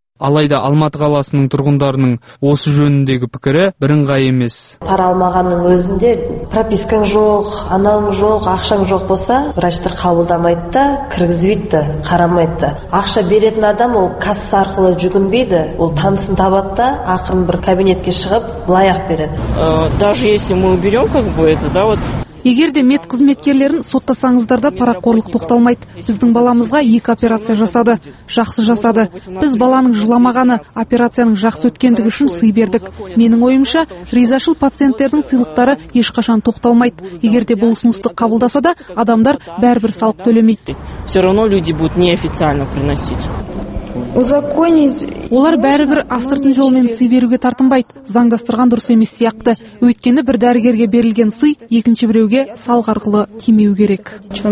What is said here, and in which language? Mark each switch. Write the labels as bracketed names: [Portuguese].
[Kazakh] Алайда Алматы қаласының тұрғындарының осы жөніндегі пікірі бірыңғай емес. Пара алмағанның өзінде пропискаң жоқ, анаң жоқ, ақшаң жоқ болса, врачтар қабылдамайды да, кіргізбейді да, қарамайды да. Ақша беретін адам ол касса арқылы жүгінбейді, ол танысын табады да, ақырын бір кабинетке шығып, былай ақ береді. [Russian] Даже если мы уберем, как бы это, да, вот... [Kazakh] Егер де мед қызметкерлерін соттасаңыздар да парақорлық тоқталмайды. Біздің баламызға екі операция жасады. Жақсы жасады. Біз баланың жыламағаны операцияның жақсы өткендігі үшін сый бердік. Менің ойымша, ризашыл пациенттердің сыйлықтары ешқашан тоқталмайды. Егер де бұл ұсынысты қабылдаса да, адамдар бәрібір салық төлемейді. [Russian] Все равно люди будут неофициально приносить. [Kazakh] Олар бәрібір астыртын жолмен сый беруге тартынбайды. Заңдастырған дұрыс емес сияқты. Өйткені бір дәрігерге берілген сый екінші біреуге салық арқылы тимеу керек.